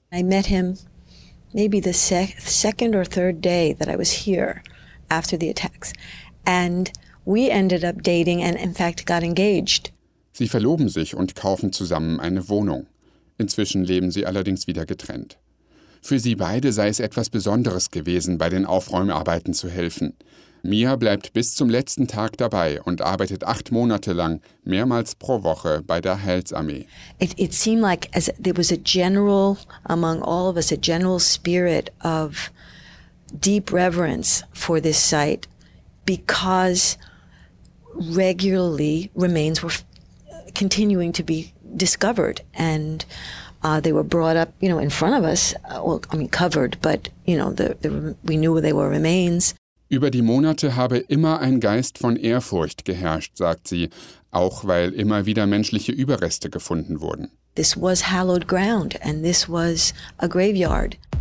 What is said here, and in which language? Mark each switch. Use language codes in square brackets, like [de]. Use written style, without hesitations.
[en] I met him maybe the second or third day that I was here after the attacks. And we ended up dating and in fact got engaged. [de] Sie verloben sich und kaufen zusammen eine Wohnung. Inzwischen leben sie allerdings wieder getrennt. Für sie beide sei es etwas Besonderes gewesen, bei den Aufräumarbeiten zu helfen. Mia bleibt bis zum letzten Tag dabei und arbeitet 8 Monate lang, mehrmals pro Woche, bei der Heilsarmee. [en] It seemed like as there was a general, among all of us, a general spirit of deep reverence for this site, because regularly remains were continuing to be discovered and they were brought up, you know, in front of us, well, I mean covered, but you know, we knew they were remains. [de] Über die Monate habe immer ein Geist von Ehrfurcht geherrscht, sagt sie, auch weil immer wieder menschliche Überreste gefunden wurden. [en] This was hallowed ground and this was a graveyard.